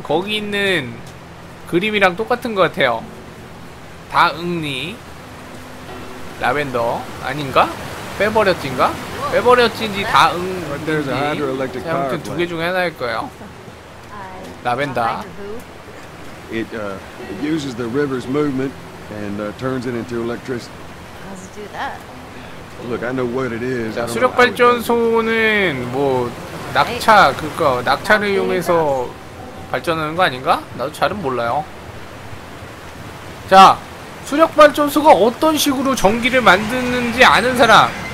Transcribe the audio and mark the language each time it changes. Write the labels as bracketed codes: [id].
[ko] 거기 있는 그림이랑 똑같은 것 같아요. 다응니. 라벤더. 아닌가? 빼버렸진가? 빼버렸진지 다응니. 아무튼 두 개 중에 하나일 거예요. 라벤더. [en] It uses the river's movement and turns it into electricity. How's it do that? Look, I know what it is. [ko] 자, 수력 발전소는 뭐 낙차 그거 낙차를 이용해서 발전하는 거 아닌가? 나도 잘은 몰라요. 자, 수력 발전소가 어떤 식으로 전기를 만드는지 아는 사람.